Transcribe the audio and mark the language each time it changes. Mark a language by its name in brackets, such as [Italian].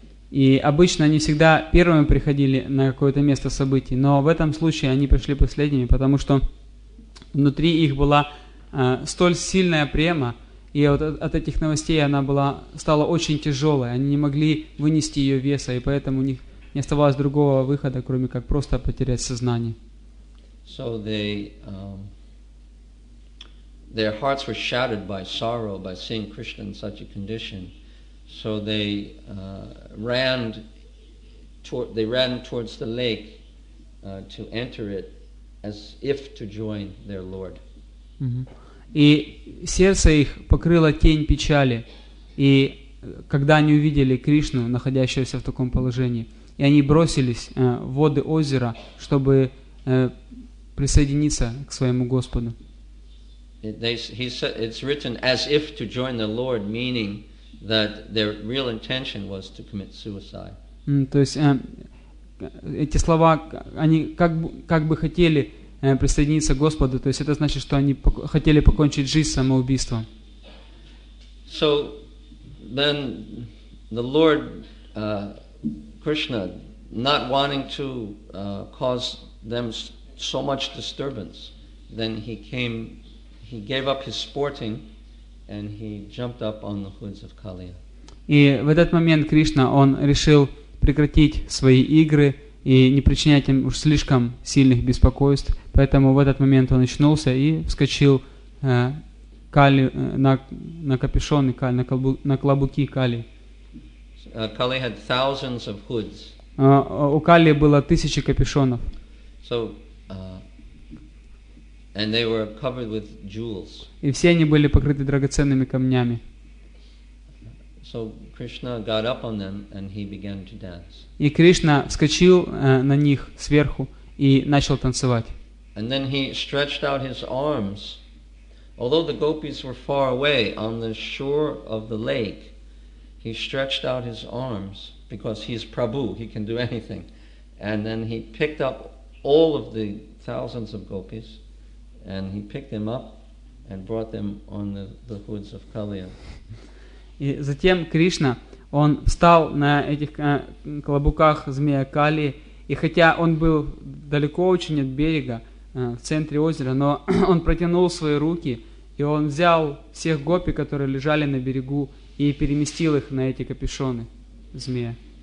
[Russian] И обычно они всегда первыми приходили на какое-то место событий, но в этом случае они пришли последними, потому что внутри их была столь сильная према, и вот от этих новостей она стала очень тяжелой, они не могли вынести ее веса, и поэтому у них не оставалось другого выхода, кроме как просто потерять сознание. [English] So they, their hearts were shattered by sorrow, by seeing Krishna in such a condition. So they ran towards the lake to enter it, as if to join their Lord. Mm-hmm. [Russian] И сердце их покрыло тень печали, и когда они увидели Кришну, находящегося в таком положении, и они бросились в воды озера, чтобы присоединиться к своему Господу. [English] It's written as if to join the Lord, meaning that their real intention was to commit suicide. [Russian] То есть эти слова, они как бы хотели присоединиться к Господу, то есть это значит, что они хотели покончить жизнь самоубийством. [English] So then the Lord Krishna, not wanting to cause them so much disturbance, then he gave up his sporting and he jumped up on the hoods of Kaliya. [Russian] И в этот момент Кришна, он решил прекратить свои игры и не причинять им уж слишком сильных беспокойств, поэтому в этот момент он очнулся и вскочил на клобуки Кали. [English] Kali had thousands of hoods. [Russian] У Кали было тысячи капюшонов. [English] So, and they were covered with jewels. [Russian] И все они были покрыты драгоценными камнями. [English] So Krishna got up on them and he began to dance. [Russian] И Кришна вскочил на них сверху и начал танцевать. [English] And then he stretched out his arms. Although the gopis were far away on the shore of the lake, he stretched out his arms because he is Prabhu, he can do anything. And then he picked up all of the thousands of gopis and he picked them up and brought them on the hoods of Kaliya. [Russian] И затем Кришна, он встал на этих клобуках змея Кали, и хотя он был далеко очень от берега, в центре озера, но он протянул свои руки, и он взял всех гопи, которые лежали на берегу, и переместил их на эти капюшоны змея.